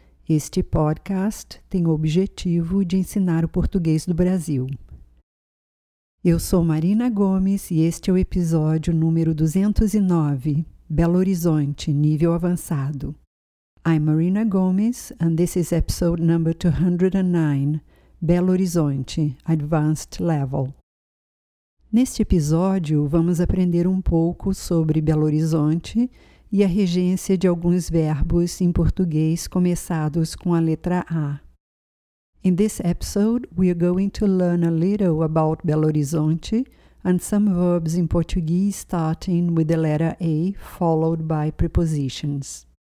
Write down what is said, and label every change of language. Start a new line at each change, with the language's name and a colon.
Portuguese: Este podcast tem o objetivo de ensinar o português do Brasil. Eu sou Marina Gomes e este é o episódio número 209, Belo Horizonte, nível avançado.
English: I'm Marina Gomes and this is episode number 209, Belo Horizonte, Advanced Level.
Portuguese: Neste episódio, vamos aprender um pouco sobre Belo Horizonte e a regência de alguns verbos em português começados com a letra A.
English: In this episode, we are going to learn a little about Belo Horizonte and some verbs in Portuguese starting with the letter A, followed by prepositions.